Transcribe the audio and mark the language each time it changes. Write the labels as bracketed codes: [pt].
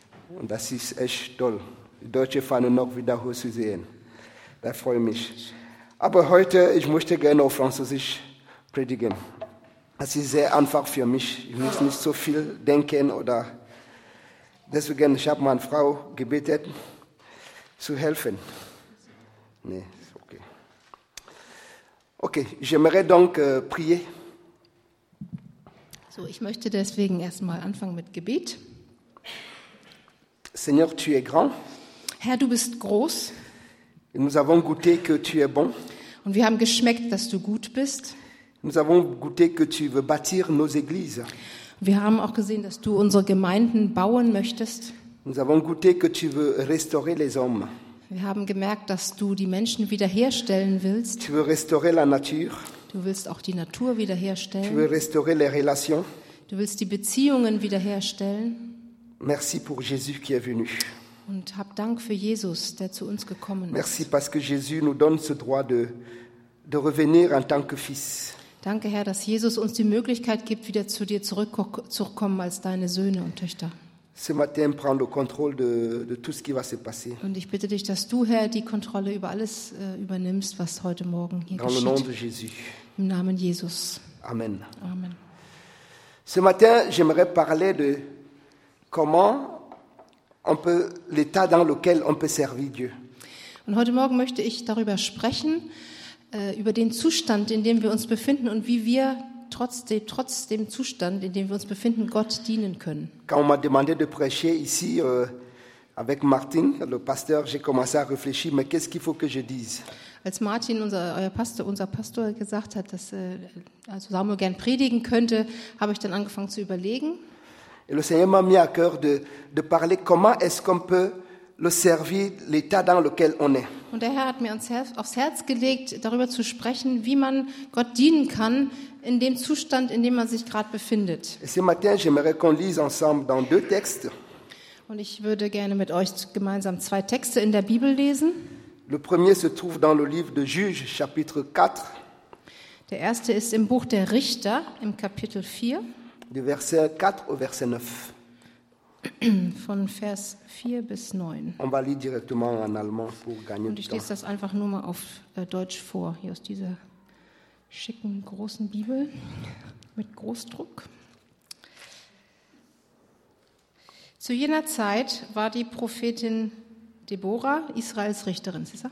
[de] Und das ist echt toll, die deutsche Fahne noch wieder hoch zu sehen. Da freue ich mich. Aber heute, ich möchte gerne auf Französisch predigen. Das ist sehr einfach für mich. Ich muss nicht so viel denken. Deswegen, ich habe meine Frau gebeten, zu helfen. Nee, ist okay. [fr] Okay, j'aimerais donc prier. [de] So, ich möchte deswegen erstmal anfangen mit Gebet. [fr] Seigneur, tu es grand. [de] Herr, du bist groß. [fr] Et nous avons goûté que tu es bon. [de] Und wir haben geschmeckt, dass du gut bist. [fr] Nous avons goûté que tu veux bâtir nos églises. [de] Wir haben auch gesehen, dass du unsere Gemeinden bauen möchtest. [fr] Nous avons goûté que tu veux restaurer les hommes. [de] Wir haben gemerkt, dass du die Menschen wiederherstellen willst. [fr] Tu veux restaurer la nature. [de] Du willst auch die Natur wiederherstellen. [fr] Tu veux restaurer les relations. [de] Du willst die Beziehungen wiederherstellen. [fr] Merci pour Jésus qui est venu. [de] Und hab Dank für Jesus, der zu uns gekommen ist. [fr] Merci parce que Jésus nous donne ce droit de revenir en tant que fils. [de] Danke, Herr, dass Jesus uns die Möglichkeit gibt, wieder zu dir zurückzukommen als deine Söhne und Töchter. [fr] Ce matin, prends le contrôle de tout ce qui va se passer. [de] Und ich bitte dich, dass du, Herr, die Kontrolle über alles übernimmst, was heute Morgen hier [fr] dans [de] geschieht. [fr] Dans le nom de Jésus. [de] Im Namen Jesus. Amen. Amen. [fr] Ce matin, j'aimerais parler de comment on peut l'état dans lequel on peut servir Dieu. [de] Und heute Morgen möchte ich darüber sprechen, über den Zustand, in dem wir uns befinden und wie wir trotz dem Zustand, in dem wir uns befinden, Gott dienen können. [fr] Quand on m'a demandé de prêcher ici avec Martin, le pasteur, j'ai commencé à réfléchir, mais qu'est-ce qu'il faut que je dise? [de] Als Martin, unser Pastor gesagt hat, dass also Samuel gern predigen könnte, habe ich dann angefangen zu überlegen. [fr] Et le Seigneur m'a mis à cœur de parler comment est-ce qu'on peut le servir l'état dans lequel on est. [de] Und der Herr hat mir aufs Herz gelegt, darüber zu sprechen, wie man Gott dienen kann in dem Zustand, in dem man sich gerade befindet. [fr] Et ce matin, j'aimerais qu'on lise ensemble dans deux textes. [de] Und ich würde gerne mit euch gemeinsam zwei Texte in der Bibel lesen. [fr] Le premier se trouve dans le livre de Juges, chapitre 4. [de] Der erste ist im Buch der Richter, im Kapitel 4. [fr] Du verset 4 au verset 9. [de] Von Vers 4 bis 9. [fr] On va lire directement en allemand pour gagner du temps. [de] Und ich lese das einfach nur mal auf Deutsch vor, hier aus dieser schicken großen Bibel mit Großdruck. Zu jener Zeit war die Prophetin Deborah Israels Richterin.